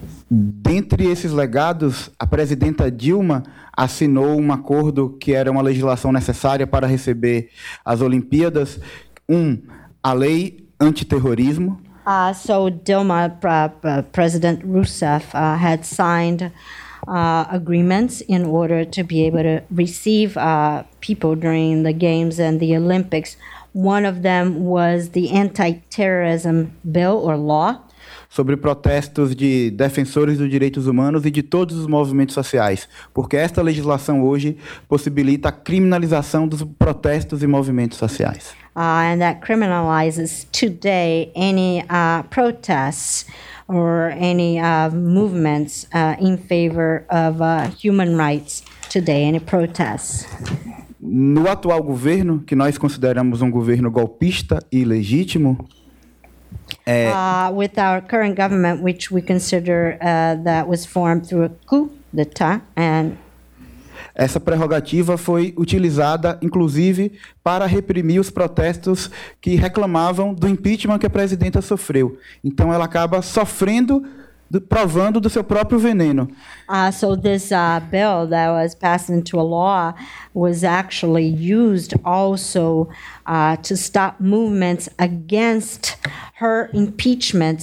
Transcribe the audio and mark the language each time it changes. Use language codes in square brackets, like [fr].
[pt] Dentre esses legados, a presidenta Dilma assinou um acordo que era uma legislação necessária para receber as Olimpíadas. A lei antiterrorismo. [en] So Dilma, President Rousseff, had signed agreements in order to be able to receive people during the Games and the Olympics. One of them was the anti-terrorism bill or law. [pt] Sobre protestos de defensores dos direitos humanos e de todos os movimentos sociais, porque esta legislação hoje possibilita a criminalização dos protestos e movimentos sociais. [en] And that criminalizes today any protests or any movements in favor of human rights today, any protests. [pt] No atual governo, que nós consideramos um governo golpista e ilegítimo, [en] With our current government, which we consider that was formed through a coup d'état, and [pt] essa prerrogativa foi utilizada, inclusive, para reprimir os protestos que reclamavam do impeachment que a presidenta sofreu. Então, ela acaba sofrendo, provando do seu próprio veneno. [en] So this bill that was passed into a law was actually used also to stop movements against her impeachment.